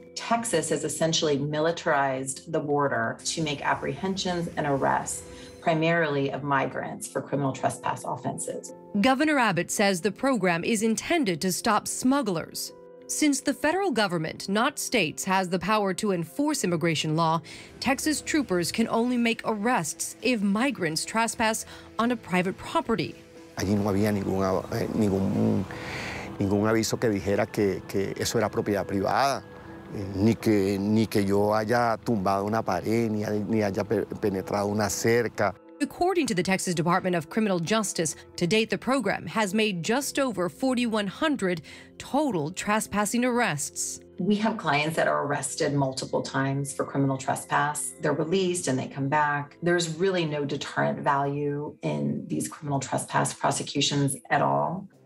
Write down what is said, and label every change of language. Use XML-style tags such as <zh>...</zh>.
<en>Texas has essentially militarized the border to make apprehensions and arrests, primarily of migrants for criminal trespass offenses. Governor Abbott says the program is intended to stop smugglers. Since the federal government, not states, has the power to enforce immigration law, Texas troopers can only make arrests if migrants trespass on a private property.</en> <es>Allí no había ningún aviso que dijera que eso era propiedad privada, ni que yo haya tumbado una pared, ni haya penetrado una cerca.</es> <en>According to the Texas Department of Criminal Justice, to date, the program has made just over 4,100 total trespassing arrests. We have clients that are arrested multiple times for criminal trespass. They're released and they come back. There's really no deterrent value in these criminal trespass prosecutions at all.</en>